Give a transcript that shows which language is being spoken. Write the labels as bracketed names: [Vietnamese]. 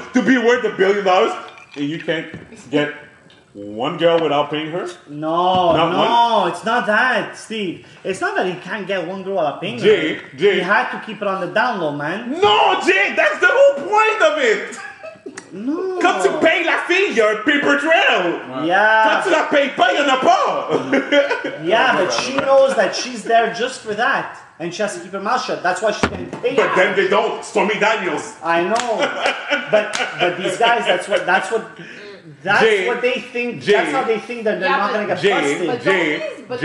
[English] To be worth $1 billion and you can't get one girl without paying her? No, it's not that, Steve. It's not that he can't get one girl without paying her. He had to keep it on the down low, man. No, Jay, that's the whole point of it. No. [French] Quand tu payes la fille, y'a un paper trail. [English] Yeah. [French] Quand tu la payes pas, y'en a pas. [English] Yeah, but she knows that she's there just for that. And she has to keep her mouth shut. That's why she can't pay. But then they don't. Stormy Daniels. I know. But these guys, that's what they think, that's how they think that they're not going to get busted. But